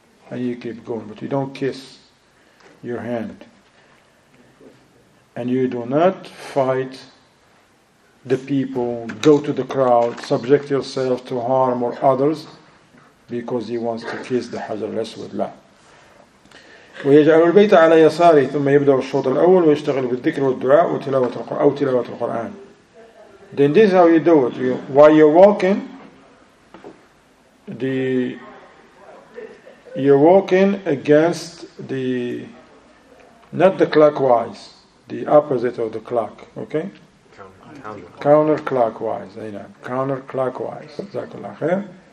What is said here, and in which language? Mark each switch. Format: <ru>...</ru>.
<en>And you keep going, but you don't kiss your hand. And you do not fight the people, go to the crowd, subject yourself to harm or others, because he wants to kiss the Hajar al-Aswad.</en> <ar>ويجعل البيت على يساره ثم يبدأ الشوط الأول ويشتغل بالذكر والدعاء وتلاوة القرآن أو تلاوة القرآن.</ar> <en>Then this is how you do it. While you're walking, you're walking against the, not the clockwise, the opposite of the clock. Okay. Counterclockwise. Counterclockwise. Zakallah khair.</en>